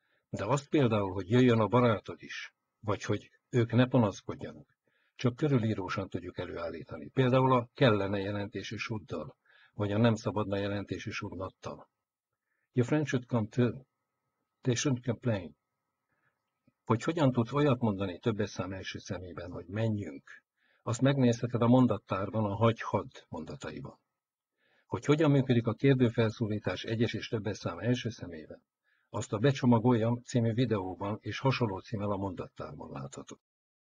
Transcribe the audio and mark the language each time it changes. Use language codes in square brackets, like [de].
[hu] De azt például, hogy jöjjön a barátod is, vagy hogy ők ne panaszkodjanak, csak körülírósan tudjuk előállítani. Például a kellene jelentésű suddal, vagy a nem szabadna jelentésű sudnattal. [en] Your friend should come too. They shouldn't complain. [hu] Hogy hogyan tudsz olyat mondani többes szám első szemében, hogy menjünk, azt megnézheted a mondattárban a hagyhad mondataiban. Hogy hogyan működik a kérdőfelszólítás egyes és többes szám első szemében, azt a Becsomagoljam című videóban és hasonló címmel a mondattárban láthatod.